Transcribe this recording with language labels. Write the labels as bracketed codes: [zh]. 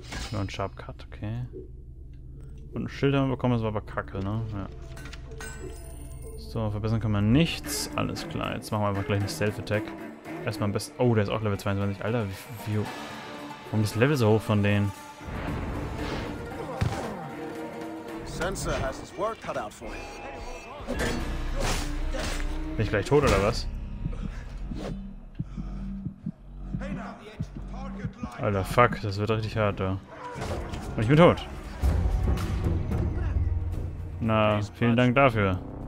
[de] Nur ein Sharp Cut, okay. Und ein Schild haben wir bekommen, das war aber kacke, ne? Ja. So, verbessern kann man nichts. Alles klar, jetzt machen wir einfach gleich einen Stealth-Attack. Erstmal am besten. Oh, der ist auch Level 22. Alter, wie. Warum ist Level so hoch von denen? [en] Sensor has his work cut out for him. [de] Bin ich gleich tot oder was? Alter, fuck, das wird richtig hart da. Und ich bin tot. Na, vielen Dank dafür.